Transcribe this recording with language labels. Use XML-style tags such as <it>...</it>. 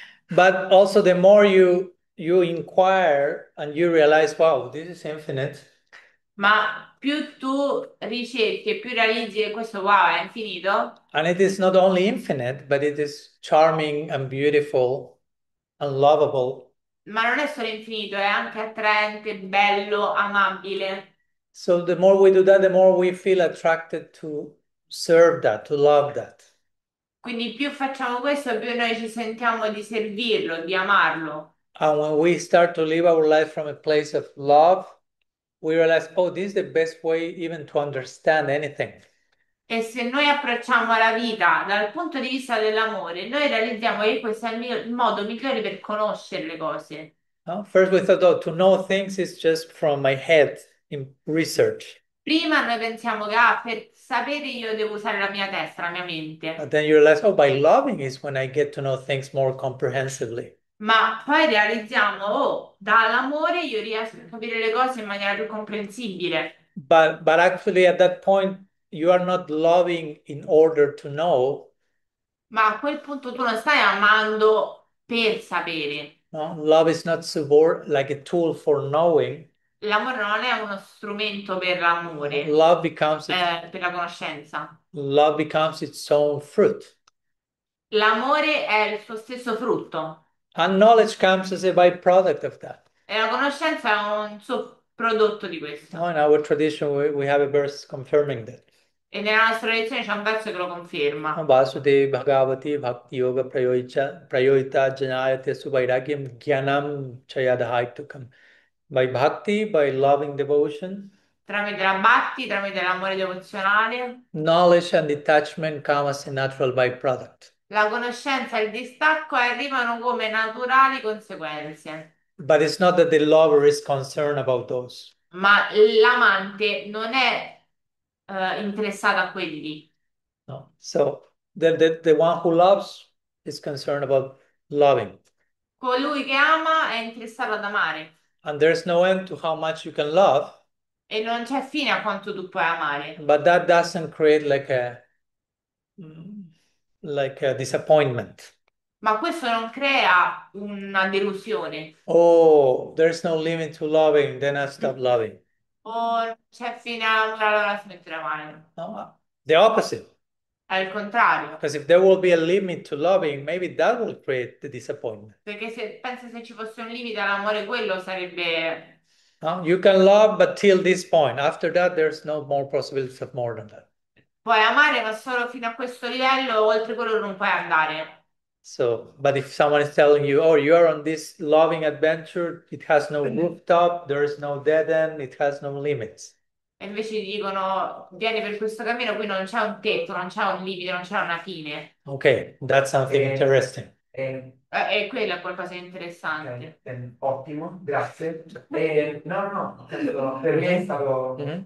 <en>But also the more you inquire and you realize, wow, this is infinite.</en> <it>Ma più tu ricerchi e più realizzi che questo wow è infinito.</it> <en>And it is not only infinite, but it is charming and beautiful and lovable.</en> <it>Ma non è solo infinito, è anche attraente, bello, amabile.</it> <en>So the more we do that, the more we feel attracted to serve that, to love that.</en> <it>Quindi più facciamo questo, più noi ci sentiamo di servirlo, di amarlo.</it> <en>And when we start to live our life from a place of love, we realize, oh, this is the best way even to understand anything.</en> <it>E se noi approcciamo la vita dal punto di vista dell'amore, noi realizziamo che questo è il modo migliore per conoscere le cose.</it> <en>No? First we thought, oh, to know things is just from my head in research.</en> <it>Prima noi pensiamo che per sapere io devo usare la mia testa, la mia mente.</it> <en>But then you realize, oh, by loving is when I get to know things more comprehensively.</en> <it>Ma poi realizziamo, oh, dall'amore io riesco a capire le cose in maniera più comprensibile.</it> <en>But actually at that point you are not loving in order to know.</en> <it>Ma a quel punto tu non stai amando per sapere.</it> <en>No? Love is not support like a tool for knowing.</en> <it>L'amore non è uno strumento per l'amore, per la conoscenza.</it> <en>Love becomes its own fruit.</en> <it>L'amore è il suo stesso frutto.</it> <en>And knowledge comes as a byproduct of that.</en> <it>E la conoscenza è un sub prodotto di No, questo.</it> <en>in our tradition, we have a verse confirming that.</en> <it>E nella nostra lezione c'è un verso che lo conferma.</it> <sa>Vasudeva Bhagavati Bhakti Yoga Prayojita Janayate Suvairagyam Gyanam Chayadahaitukam.</sa> <en>By bhakti, by loving devotion,</en> <it>Tramite la bhakti, tramite l'amore devozionale.</it> <en>knowledge and detachment come as a natural byproduct.</en> <it>La conoscenza e il distacco arrivano come naturali conseguenze.</it> <en>But it's not that the lover is concerned about those.</en> <it>Ma l'amante non è interessata a quelli. No.</it> <en>So the one who loves is concerned about loving.</en> <it>Colui che ama è interessato ad amare.</it> <en>And there's no end to how much you can love.</en> <it>E non c'è fine a quanto tu puoi amare.</it> <en>But that doesn't create like a disappointment.</en> <it>Ma questo non crea una delusione.</it> <en>Oh, there's no limit to loving, then I stop loving.</en> <it>Oh, non c'è fine allora smetteremo.</it> <en>No, the opposite.</en> <it>Al contrario.</it> <en>Because if there will be a limit to loving, maybe that will create the disappointment.</en> <it>Perché se pensa se ci fosse un limite all'amore, quello sarebbe.</it> <en>No? You can love, but till this point. After that, there's no more possibilities of more than that.</en> <it>Puoi amare, ma solo fino a questo livello, oltre quello non puoi andare.</it> <en>So, but if someone is telling you, oh, you are on this loving adventure, it has no rooftop, there is no dead end, it has no limits.</en> <it>E invece dicono, vieni per questo cammino, qui non c'è un tetto, non c'è un limite, non c'è una fine.</it> <en>Okay, that's something interesting.</en> <it>E quello è qualcosa di Okay. interessante. Ottimo, grazie. No, no, no, per me è stato.</it>